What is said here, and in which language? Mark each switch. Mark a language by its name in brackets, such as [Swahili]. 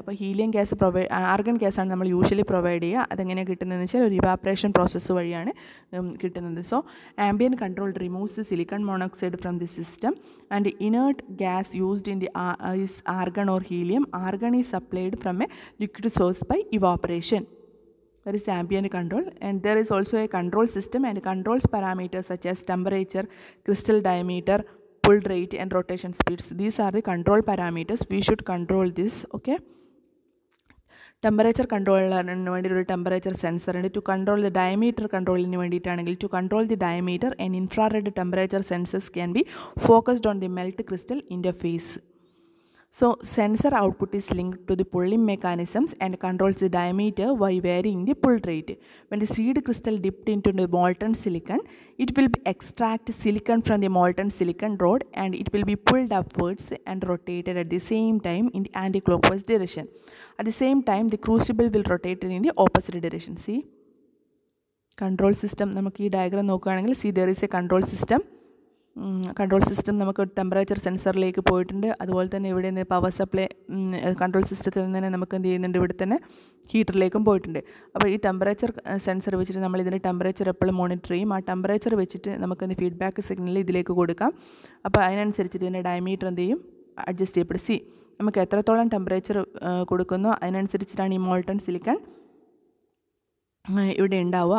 [Malayalam] അപ്പോൾ helium gas argon ഗ്യാസാണ് നമ്മൾ usually provide ചെയ്യുക. അതെങ്ങനെ കിട്ടുന്നതെന്ന് വെച്ചാൽ, ഒരു ഇവാപറേഷൻ പ്രോസസ്സ് വഴിയാണ് കിട്ടുന്നത്. [English] So ambient control removes the silicon monoxide from the system and inert gas used in the is argon or helium. Argon is supplied from a liquid source by evaporation. There is ambient control and there is also a control system and controls parameters such as temperature, crystal diameter, pull rate and rotation speeds. These are the control parameters. We should control this, okay? [Malayalam] Temperature കൺട്രോളറിന് വേണ്ടി ഒരു temperature sensor ഉണ്ട്. [English] to control the [Malayalam] diameter കൺട്രോളിന് വേണ്ടിയിട്ടാണെങ്കിൽ, [English] To control the diameter and infrared temperature sensors can be focused on the melt crystal interface. So, sensor output is linked to the pulling mechanisms and controls the diameter by varying the pull rate. When the seed crystal dipped into the molten silicon, it will extract silicon from the molten silicon rod and it will be pulled upwards and rotated at the same time in the anti-clockwise direction. At the same time, the crucible will rotate in the opposite direction. See, control system, [Malayalam] നമുക്ക് ഈ diagram നോക്കുകയാണെങ്കിൽ, [English] see, there is a control system. [Malayalam] Control system നമുക്ക് temperature സെൻസറിലേക്ക് പോയിട്ടുണ്ട്. അതുപോലെ തന്നെ ഇവിടെ നിന്ന് power supply control സിസ്റ്റത്തിൽ നിന്ന് തന്നെ നമുക്ക് എന്ത് ചെയ്യുന്നുണ്ട്, ഇവിടെ തന്നെ ഹീറ്ററിലേക്കും പോയിട്ടുണ്ട്. അപ്പോൾ ഈ ടെമ്പറേച്ചർ സെൻസർ വെച്ചിട്ട് നമ്മൾ ഇതിൻ്റെ ടെമ്പറേച്ചർ എപ്പോഴും മോണിറ്റർ ചെയ്യും. ആ ടെമ്പറേച്ചർ വെച്ചിട്ട് നമുക്കിന്ന് ഫീഡ്ബാക്ക് സിഗ്നൽ ഇതിലേക്ക് കൊടുക്കാം. അപ്പോൾ അതിനനുസരിച്ചിട്ട് ഇതിൻ്റെ ഡയമീറ്റർ എന്ത് ചെയ്യും, അഡ്ജസ്റ്റ് ചെയ്യപ്പെടും. സി നമുക്ക് എത്രത്തോളം ടെമ്പറേച്ചർ കൊടുക്കുന്നു അതിനനുസരിച്ചിട്ടാണ് ഈ മോൾട്ടൺ സിലിക്കൺ ഇവിടെ ഉണ്ടാവുക.